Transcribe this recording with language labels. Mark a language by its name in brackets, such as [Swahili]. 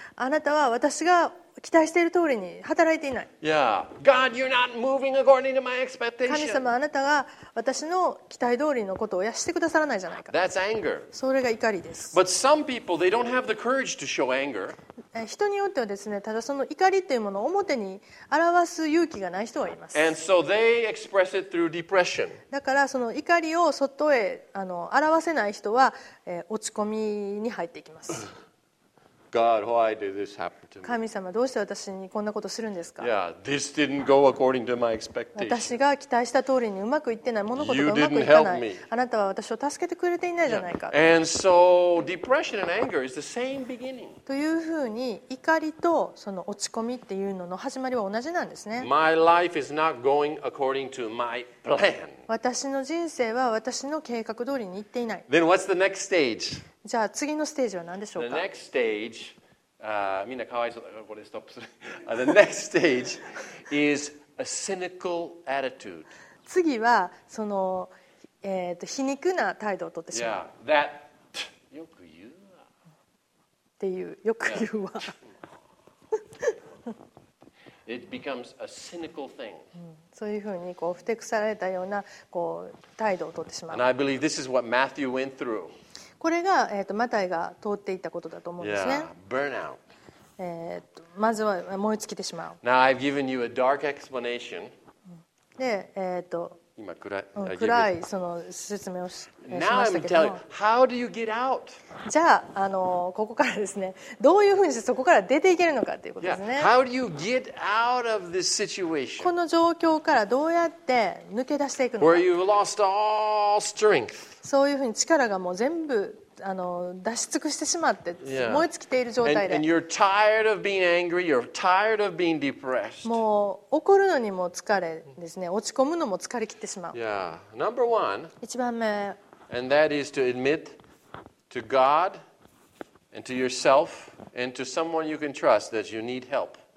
[Japanese] あなたは私が期待している通りに働いていない。 [English] yeah. God, you're not moving according to my expectation. [Japanese] 神様、あなたが私の期待通りのことをやしてくださらないじゃないか。 [English] That's anger. [Japanese] それが怒りです。 [English] But some people, they don't have the courage to show anger. [Japanese] 人によってはですね、ただその怒りというものを表に表す勇気がない人はいます。 [English] And so they express it through depression. [Japanese] だからその怒りを外へ表せない人は、落ち込みに入っていきます。 [English] God, why did this happen to me? [Japanese] 神様、どうして私にこんなことするんですか。 [English] yeah, this didn't go according to my expectation. [Japanese] 私が期待した通りにうまくいってない、物事がうまくいかない。 [English] You didn't help me. [Japanese] あなたは私を助けてくれていないじゃないか。 [English] yeah. And so, depression and anger is the same beginning. [Japanese] というふうに、怒りとその落ち込みっていうのの始まりは同じなんですね。 [English] My life is not going according to my plan. [Japanese] 私の人生は私の計画通りにいっていない。 [English] Then what's the next stage? [Japanese] じゃあ次のステージは何でしょうか。 [English] The next stage, [Japanese] みんなかわいそうだからこれストップする。 [English] The next stage is a cynical attitude. [Japanese] 次はその、皮肉な態度を取ってしまう。 [English] Yeah, that, [Japanese] よく言うわっていう、よく言うわ。 [English] It becomes a cynical thing. [Japanese] そういうふうにこうふてくされたようなこう態度を取ってしまう。 [English] And I believe this is what Matthew went through. [Japanese] これが、マタイが通っていたことだと思うんですね。 [English] Yeah, burnout. [Japanese] まずは燃え尽きてしまう。 [English] Now I've given you a dark explanation. [Japanese] で、今暗い、うん、暗いその説明をしましたけども。 [English] Now I'm telling you, how do you get out? [Japanese] じゃあ、ここからですね、どういうふうにしてそこから出ていけるのかということですね。 [English] Yeah. How do you get out of this situation? [Japanese] この状況からどうやって抜け出していくのか。 [English] Where you've lost all strength. [Japanese] そういうふうに力がもう全部出し尽くしてしまって、燃え尽きている状態で。 [English] And you're tired of being angry, you're tired of being depressed. [Japanese] もう怒るのにも疲れですね、落ち込むのも疲れきってしまう。 [English] Yeah. Number one, [Japanese] 一番目。 [English] And that is to admit to God and to yourself and to someone you can trust that you need help.